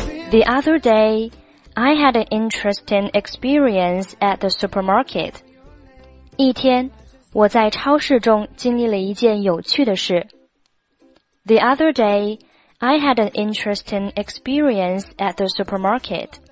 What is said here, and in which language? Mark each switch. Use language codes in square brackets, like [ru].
[en] The other day, I had an interesting experience at the supermarket. [zh] 一天，我在超市中经历了一件有趣的事。 [en] The other day,I had an interesting experience at the supermarket.